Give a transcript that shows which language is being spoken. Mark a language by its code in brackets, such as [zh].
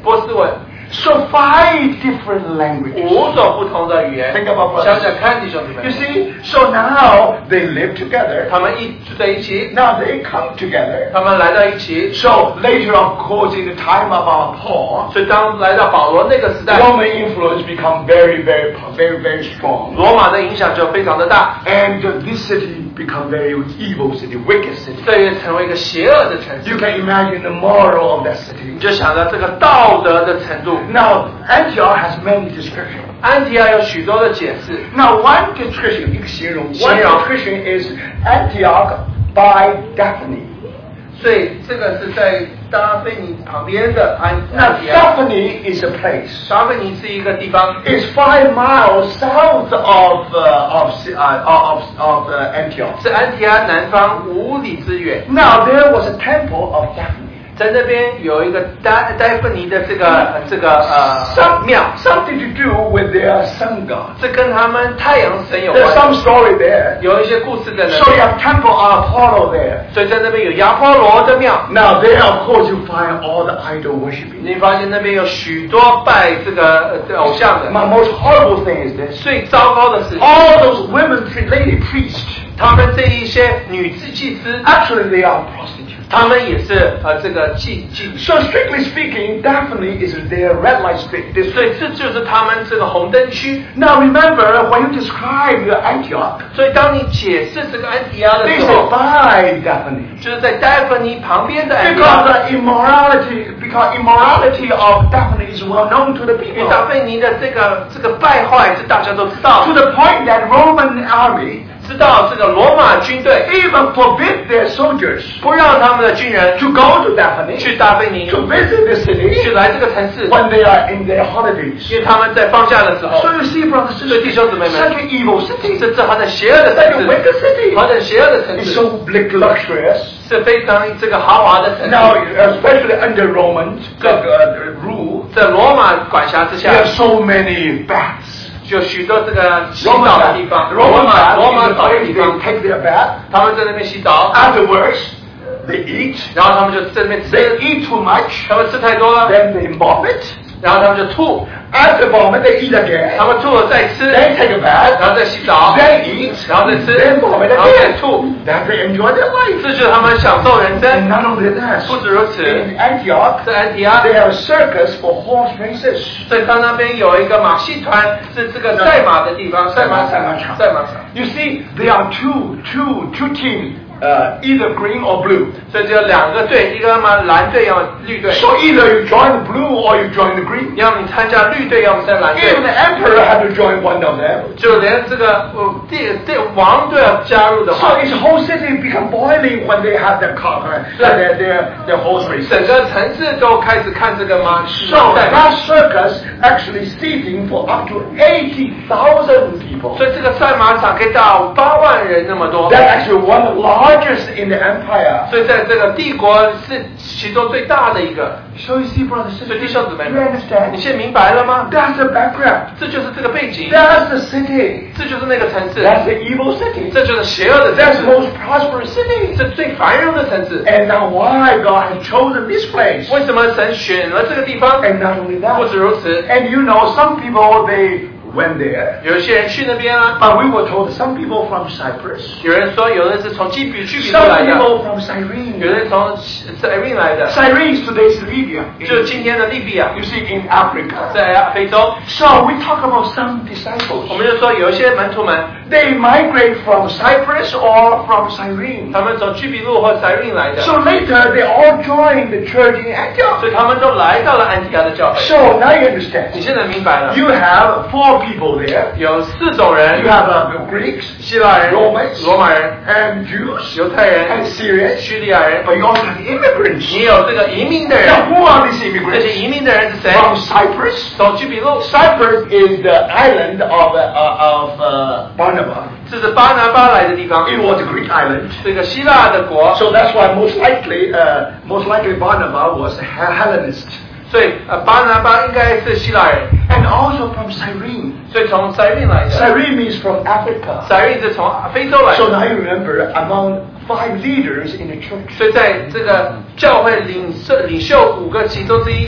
[zh] 波斯文。 [en] So five different languages. [zh] 5种不同的语言. [en] Think about brothers. [zh] 想想看，弟兄姊妹. [en] You see, so now they live together. [zh] 他们一住在一起. [en] Now they come together. [zh] 他们来到一起. [en] So later, of course, in the time of our Paul. [zh] 所以当来到保罗那个时代. [en] Roman influence become very, very, very, very strong. [zh] 罗马的影响就非常的大. [en] And this city become very evil city, wicked city. [zh] 这也成为一个邪恶的城市. [en] You can imagine the moral of that city. [zh] 你就想到这个道德的城市. [en] Now, Antioch has many descriptions. [zh] 安提阿有许多的解释. [en] Now, one description, [zh] 一个形容, [en] one description is Antioch by Daphne. [zh] 所以这个是在达菲尼旁边的 [en] Antioch. Now, Daphne is a place. [zh] 达菲尼是一个地方. [en] It's 5 miles south of Antioch. [zh] 是安提阿南方5里之远. [en] Now, there was a temple of Daphne. [zh] 在那边有一个戴芬尼的这个庙 [en] something to do with their sun god. [zh] 这跟他们太阳神有关. [en] There's some story there. [zh] 有一些故事在那边. [en] So you have temple of Apollo there. [zh] 所以在那边有亚波罗的庙. [en] Now there of course you find all the idol worshiping. [zh] 你发现那边有许多拜这个偶像的. [en] My most horrible thing is this. [zh] 最糟糕的是, [en] all those women lady priests. [zh] 他们这一些女制祭司 [en] actually they are prostitutes. [zh] 他们也是这个妓女。 [en] So strictly speaking, definitely is their red light district. [zh] 所以这就是他们这个红灯区。 [en] Now remember when you describe your Antioch. [zh] 所以当你解释这个安提阿的时候 [en] ，by Daphne [zh] 就是在 Daphne 旁边的 [en] Antioch. Because immorality of Daphne is well known to the people. [zh] 因为达芬尼的这个败坏是大家都知道。 [en] To the point that Roman army. Even forbid their soldiers [zh] 不让他们的军人 [en] to go to Daphne [zh] 去达菲尼 [en] to visit the city [zh] 去来这个城市 [en] when they are in their holidays [zh] 因为他们在放假的时候 [en] So you see brothers and sisters [zh] 弟兄姊妹们 [en] such an evil city [zh] 是这样的邪恶的城市 [en] such a wicked city [zh] 邪恶的城市 [en] It's so big luxurious [zh] 是非常这个豪华的城市 [en] Now especially under Roman rule [zh] 在罗马管辖之下 [en] There are so many baths [zh] 就许多这个洗澡的地方 [en] Roman [zh] 澡的地方 [en] take their bath, [zh] 他们在那边洗澡 [en] Afterwards they eat [zh] 然后他们就在那边吃 [en] They eat too much [zh] 他们吃太多了 [en] Then they vomit [zh] 然后他们就吐 [en] After vomit they eat again [zh] 他们吐了再吃 [en] They take a bath [zh] 然后再洗澡 [en] They eat [zh] 然后再吃 [en] Then vomit again [zh] 然后再吐 [en] Then they enjoy their life [zh] 这就是他们享受人生 [en] And not only that [zh] 不止如此在安提阿 [en] They have a circus for horse races [zh] 所以他那边有一个马戏团是这个赛马的地方赛马场 [en] You see there are two teams either green or blue. [zh] 所以只有两个队，一个嘛蓝队，要么绿队。 [en] So either you join the blue or you join the green. [zh] 要么你参加绿队，要么参加蓝队。 [en] Even the emperor had to join one of them. [zh] 就连这个帝王都要加入的话。 [en] So his whole city become boiling when they have their car, their horse race. [zh] 整个城市都开始看这个马。 [en] So that circus actually seating for up to 80,000 people. [zh] 所以这个赛马场可以到80,000人那么多。 [en] That actually one lot. Largest in the empire. [zh] 所以在这个帝国是其中最大的一个。 [en] So you see, brothers, [zh] 所以弟兄姊妹们 [en] you understand? [zh] 你现在明白了吗 [en] That's the background. [zh] 这就是这个背景。 [en] That's the city. [zh] 这就是那个城市。 [en] That's the evil city. [zh] 这就是邪恶的城市。 [en] That's the most prosperous city. [zh] 是最繁荣的城市。 [en] And now why God has chosen this place? [zh] 为什么神选了这个地方 [en] And not only that. [zh] 不止如此。 [en] And you know, some people, they... Went there. [zh] 有些人去那边啊。 [en] But we were told some people from Cyprus. [zh] 有人说有人是从基比去比来的。 [en] Some people from Cyrene. [zh] 有人从 Cyrene 来的。 [en] Cyrene is today's Libya. [zh] 就今天的利比亚。 [en] You see, in Africa. [zh] 在非洲。 [en] So we talk about some disciples. [zh] 我们就说有一些门徒们。 [en] They migrate from Cyprus or from Cyrene. [zh] 他们从基比路或 Cyrene 来的。 [en] So later they all joined the church in Antioch. [zh] 所以他们都来到了安提阿的教会。 [en] So now you understand. [zh] 你现在明白了。 [en] You have four. People there. [zh] 有四种人 [en] You have the Greeks, [zh] 希腊人 [en] Romans, [zh] 罗马人 [en] And Jews, [zh] 犹太人 [en] And Syrians, [zh] 叙利亚人 [en] But you also have immigrants. [zh] 你有这个移民的人 [en] Now who are these immigrants? [zh] 这些移民的人是谁 [en] From Cyprus, [zh] 从基比路 [en] Cyprus is the island of Barnaba. [zh] 这是巴拿巴来的地方 [en] It was a Greek island. [zh] 这个希腊的国 [en] So that's why most likely Barnaba was a Hellenist. [zh] 所以巴拿巴应该是希腊人 [en] And also from Cyrene [zh] 所以从 Cyrene 来的 [en] Cyrene means from Africa [zh] Cyrene 是从非洲来的 [en] So now you remember among five leaders in the church [zh] 所以在这个教会领袖五个其中之一